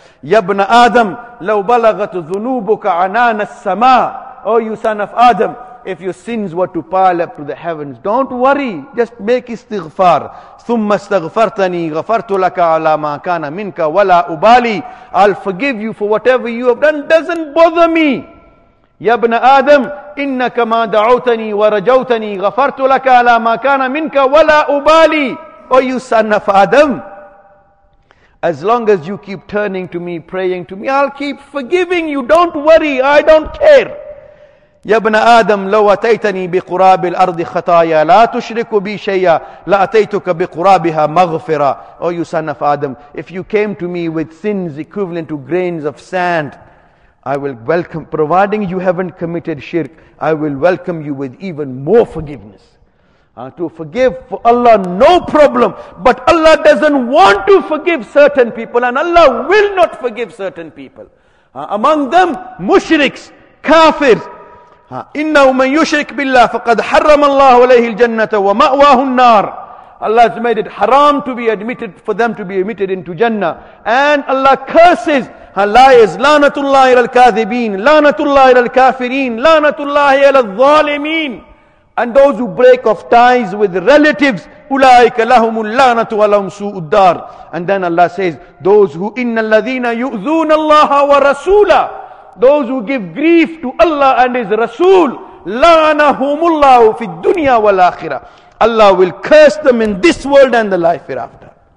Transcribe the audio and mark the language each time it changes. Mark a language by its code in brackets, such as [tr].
[ar] Ya ibn Adam, law balagat dhunubuka anan as-sama. [en] Oh, you son of Adam, if your sins were to pile up to the heavens, don't worry, just make istighfar. [ar] ثُمَّ اسْتَغْفَرْتَنِي غَفَرْتُ لَكَ عَلَى مَا كَانَ مِنْكَ وَلَا أُبَالِي. [en] I'll forgive you for whatever you have done, doesn't bother me. [ar] يَا ابْنَ آدَمَ إِنَّكَ مَا دَعَوْتَنِي وَرَجَوْتَنِي غَفَرْتُ لَكَ عَلَى مَا كَانَ مِنْكَ وَلَا أُبَالِي. [en] Oh, you son of Adam, as long as you keep turning to me, praying to me, I'll keep forgiving you. Don't worry, I don't care. [ar] يَبْنَ آدَمْ لَوْ أَتَيْتَنِي بِقُرَابِ الْأَرْضِ خَطَايَا لَا تُشْرِكُ بِي شَيَّا لَأَتَيْتُكَ بِقُرَابِهَا مَغْفِرًا. [en] Oh, you son of Adam, if you came to me with sins equivalent to grains of sand, I will welcome, providing you haven't committed shirk, I will welcome you with even more forgiveness. To forgive for Allah, no problem. But Allah doesn't want to forgive certain people, and Allah will not forgive certain people. Among them, mushriks, kafirs. [ar] إِنَّهُ مَنْ يُشْرِكْ بِاللَّهِ فَقَدْ حَرَّمَ اللَّهُ عَلَيْهِ الْجَنَّةَ وَمَأْوَاهُ النَّارِ. [en] Allah has made it haram to be admitted, for them to be admitted into Jannah. And Allah curses, Allah is [ar] لَانَةُ اللَّهِ إِلَى الْكَاذِبِينَ لَانَةُ اللَّهِ إِلَى الْكَافِرِينَ لَانَةُ اللَّهِ إِلَى الظَّالِمِينَ. [en] And those who break off ties with relatives, [ar] أُولَٰئِكَ لَهُمُ اللَّانَةُ وَلَهُمْ سُوءُ الدَّارِ. [en] And then Allah says, those who [ar] إِنَّ الَّذِينَ يُؤْذُونَ اللَّهَ وَرَسُولَهُ, [en] those who give grief to Allah and His Rasul, [ar] لَعَنَهُمُ اللَّهُ فِي الدُّنْيَا وَالْآخِرَةِ, [en] Allah will curse them in this world and the life hereafter.